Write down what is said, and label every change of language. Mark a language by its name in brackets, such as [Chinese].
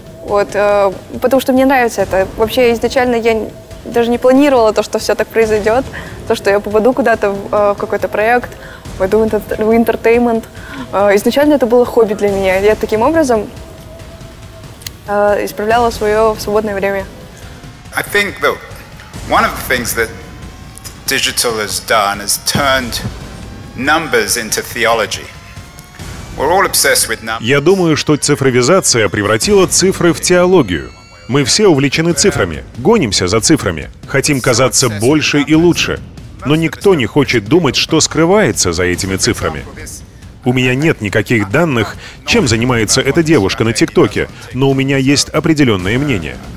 [Russian] Вот, потому что мне нравится это. Вообще изначально я даже не планировала то, что все так произойдет, то, что я попаду куда-то в какой-то проект, пойду в интертеймент. Изначально это было хобби для меня. Я таким образом исправляла свое в свободное время. [English] I think that one of the things that digital has done is turned numbers into theology. We're all obsessed with numbers. [Russian] Я думаю, что цифровизация превратила цифры в теологию. Мы все увлечены цифрами, гонимся за цифрами, хотим казаться больше и лучше, но никто не хочет думать, что скрывается за этими цифрами. У меня нет никаких данных, чем занимается эта девушка на ТикТоке, но у меня есть определенное мнение.